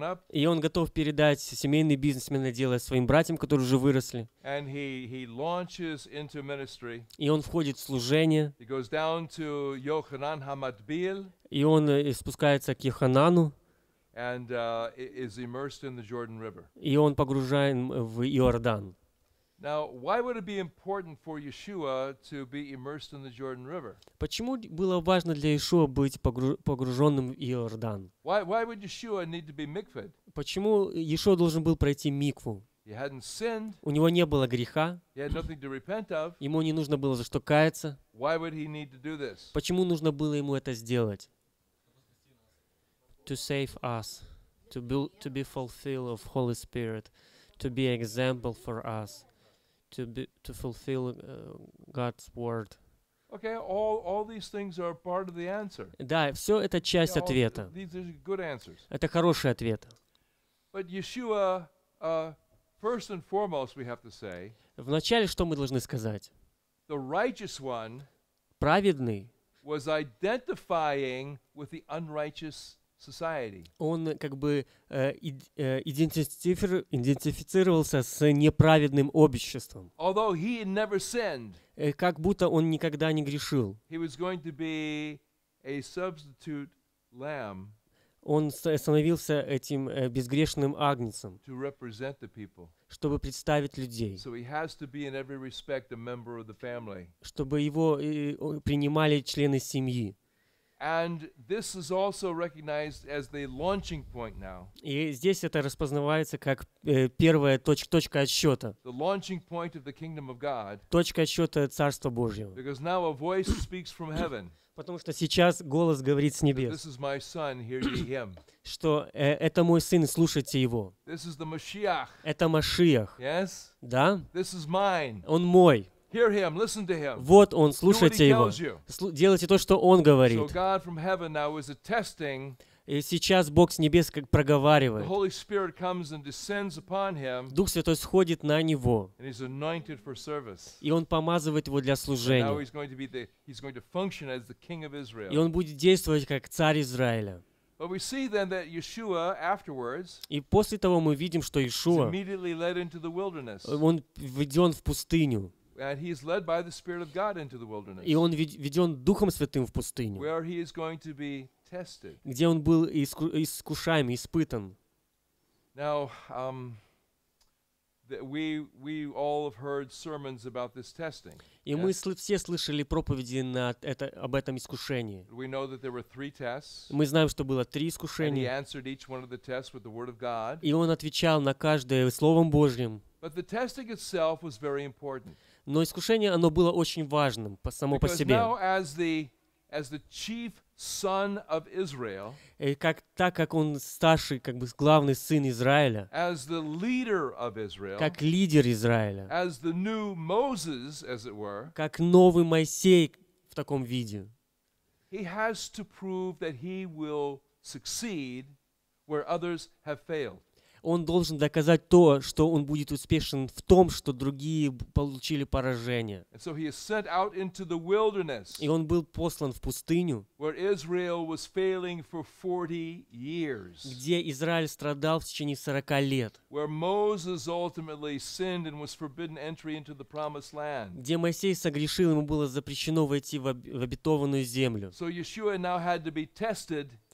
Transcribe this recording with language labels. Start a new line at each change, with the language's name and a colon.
Russian: И он готов передать семейный бизнес, семейное дело своим братьям, которые уже выросли.
English: And he launches into ministry.
Russian: И он входит в служение.
English: He goes down to Yohanan HaMatbil.
Russian: И он спускается к Йоханану.
English: And is immersed in the Jordan River.
Russian: И он погружен в Иордан.
English: Now, why would it be important for Yeshua to be immersed in the Jordan River?
Russian: Почему было важно для Иешуа быть погруженным в Иордан?
English: Why would Yeshua need to be mikved?
Russian: Почему Иешуа должен был пройти микву?
English: He hadn't sinned.
Russian: У него не было греха.
English: He had nothing to repent of.
Russian: Ему не нужно было за что каяться.
English: Why would he need to do this?
Russian: Почему нужно было ему это сделать?
English: To save us, to be fulfilled of Holy Spirit, to be example for us. To fulfill God's word. Okay, all these things are part of the answer.
Russian: Да, все это часть ответа.
English: These are good answers.
Russian: Это хороший ответ.
English: But Yeshua, first and foremost, we have to say.
Russian: Вначале что мы должны сказать?
English: The righteous one.
Russian: Праведный.
English: Was identifying with the unrighteous society.
Russian: Он как бы идентифицировался с неправедным обществом.
English: Although he had never sinned,
Russian: как будто он никогда не грешил.
English: He was going to be a substitute lamb.
Russian: Он становился этим безгрешным агнецем,
English: to represent the people.
Russian: Чтобы представить людей.
English: So he has to be in every respect a member of the family.
Russian: Чтобы его принимали члены семьи.
English: And this is also recognized as the launching point now.
Russian: И здесь это распознавается как первая точка отсчета.
English: The launching point of the kingdom of God.
Russian: Точка отсчета Царства Божьего.
English: Because now a voice speaks from heaven.
Russian: Потому что сейчас голос говорит с небес.
English: This is my son, hear ye him.
Russian: Что это мой сын, слушайте его.
English: This is the Mashiach.
Russian: Это Машиах.
English: Yes?
Russian: Да?
English: This is mine.
Russian: Он мой.
English: Hear him, listen to him.
Russian: Вот он, слушайте его. Делайте то, что он говорит.
English: So God from heaven now is attesting.
Russian: И сейчас Бог с небес как проговаривает.
English: The Holy Spirit comes and descends upon him.
Russian: Дух Святой сходит на него.
English: And he's anointed for service.
Russian: И он помазывает его для служения.
English: And now he's going to function as the king of Israel.
Russian: И он будет действовать как царь Израиля.
English: But we see then that Yeshua afterwards.
Russian: И после того мы видим, что Иешуа.
English: Immediately led into the wilderness.
Russian: Он введен в пустыню.
English: And he is led by the Spirit of God into the wilderness.
Russian: И он введен Духом Святым в пустыню.
English: Where he is going to be tested.
Russian: Где он был искушаем, испытан.
English: Now, We all have heard sermons about this testing.
Russian: И мы все слышали проповеди на это об этом искушении.
English: We know that there were three tests.
Russian: Мы знаем, что было три искушения.
English: And he answered each one of the tests with the word of God.
Russian: И он отвечал на каждое словом Божьим.
English: But the testing itself was very important.
Russian: Но искушение оно было очень важным само по себе.
English: Because now as the chief son of Israel,
Russian: так как он старший, как бы главный сын Израиля,
English: as the leader of Israel,
Russian: как лидер Израиля,
English: as the new Moses, as it were,
Russian: как новый Моисей в таком виде,
English: he has to prove that he will succeed where others have failed.
Russian: Он должен доказать то, что он будет успешен в том, что другие получили поражение.
English: And so he is sent out into the wilderness,
Russian: и он был послан в пустыню,
English: where Israel was failing for 40 years,
Russian: где Израиль страдал в течение 40 лет,
English: where Moses ultimately sinned and was forbidden entry into the promised land,
Russian: где Моисей согрешил, ему было запрещено войти в обетованную землю.
English: So Yeshua now had to be tested.